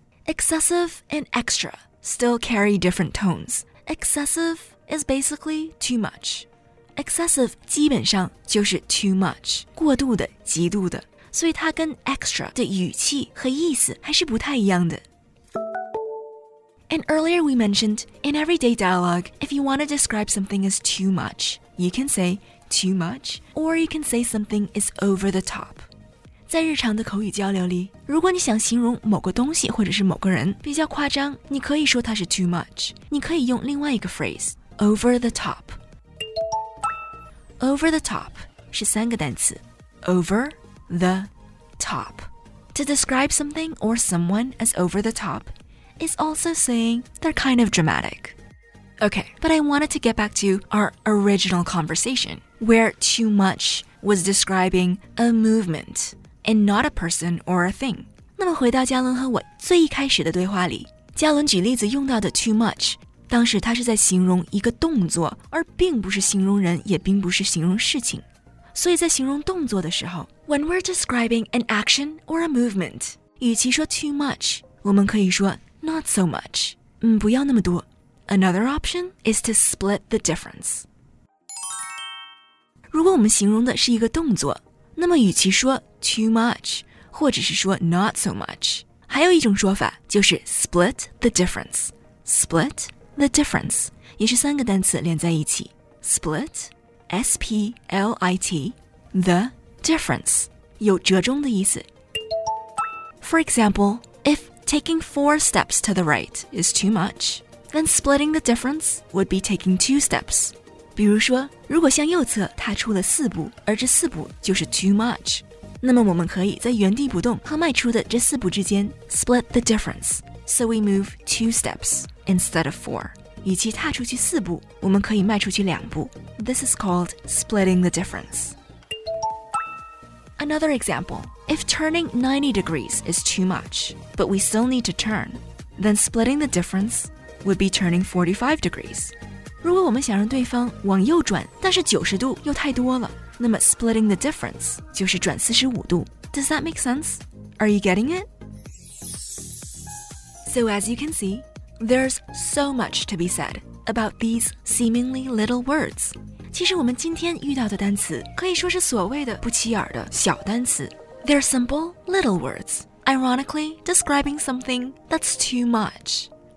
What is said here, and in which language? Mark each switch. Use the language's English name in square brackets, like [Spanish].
[English] Excessive and extra still carry different tones. Excessive is basically too much. [Chinese] Excessive 基本上就是 too much, 过度的、极度的，所以它跟 extra 的语气和意思还是不太一样的。 [English] And earlier we mentioned, in everyday dialogue, if you want to describe something as too much, you can say too much, or you can say something is over the top. [Chinese] 在日常的口语交流里，如果你想形容某个东西或者是某个人比较夸张，你可以说它是 too much. 你可以用另外一个 phrase, over the top. Over the top 是三个单词 over the top. [English] To describe something or someone as over the top,is also saying they're kind of dramatic. Okay, but I wanted to get back to our original conversation, where too much was describing a movement and not a person or a thing. [Chinese] 那么回到嘉伦和我最一开始的对话里，嘉伦举例子用到的 too much， 当时他是在形容一个动作，而并不是形容人，也并不是形容事情。所以在形容动作的时候， [English] when we're describing an action or a movement， [Chinese] 与其说 too much， 我们可以说 not so much， 不要那么多。 [English] Another option is to split the difference. [Chinese] 如果我们形容的是一个动作，那么与其说 too much， 或者是说 not so much， 还有一种说法就是 split the difference. Split the difference 也是三个单词连在一起。 [English] Split, S-P-L-I-T, the difference [Chinese] 有折中的意思。 [English] For example, if taking four steps to the right is too much,Then splitting the difference would be taking two steps. [Chinese] 比如说，如果向右侧踏出了四步，而这四步就是 too much， 那么我们可以在原地不动和迈出的这四步之间 [English] split the difference. So we move two steps instead of four. [Chinese] 与其踏出去四步，我们可以迈出去两步。 [English] This is called splitting the difference. Another example, if turning 90 degrees is too much, but we still need to turn, then splitting the difference. Would be turning 45 degrees. [Chinese] 如果我们想让对方往右转，但是九十度又太多了，那么 splitting the difference 就是转四十五度。 [English] Does that make sense? Are you getting it? So as you can see, there's so much to be said about these seemingly little words. [Chinese] 其实我们今天遇到的单词可以说是所谓的不起眼的小单词。 [English] They're simple little words, ironically describing something that's too much.